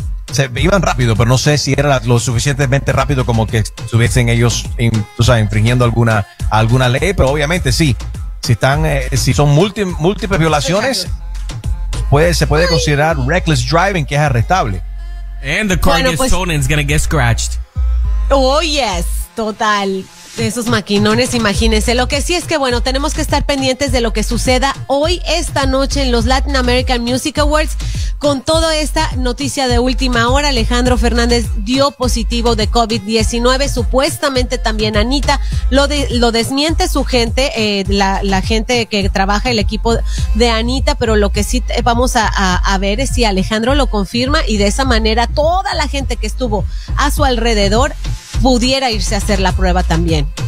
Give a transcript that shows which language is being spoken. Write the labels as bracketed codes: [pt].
[es] Se iban rápido, pero no sé si era lo suficientemente rápido como que estuviesen ellos infringiendo alguna ley, pero obviamente sí. Si son múltiples violaciones, se puede considerar reckless driving, que es arrestable. [en] And the car gets stolen, it's gonna get scratched. Oh, yes, [es] total. Esos maquinones, imagínense. Lo que sí es que, bueno, tenemos que estar pendientes de lo que suceda hoy, esta noche, en los Latin American Music Awards. Con toda esta noticia de última hora, Alejandro Fernández dio positivo de COVID-19, supuestamente también Anita, lo desmiente su gente, la gente que trabaja, el equipo de Anita, pero lo que sí vamos a ver es si Alejandro lo confirma y de esa manera toda la gente que estuvo a su alrededor pudiera irse a hacer la prueba también.